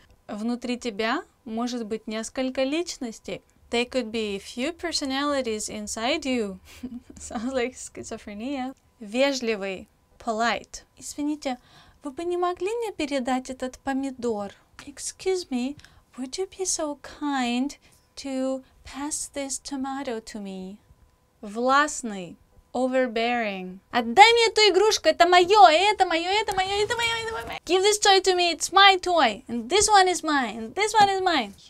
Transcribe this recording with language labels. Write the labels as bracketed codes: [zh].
[ru] Внутри тебя может быть несколько личностей. [en] There could be a few personalities inside you. Sounds like schizophrenia. Вежливый, polite. [ru] Извините, вы бы не могли мне передать этот помидор? [en] Excuse me, would you be so kind to pass this tomato to me? Властный, overbearing. [ru] Отдай мне эту игрушку, это моё, это моё, это моё, это моё, это моё. [en] Give this toy to me, it's my toy. And this one is mine, and this one is mine.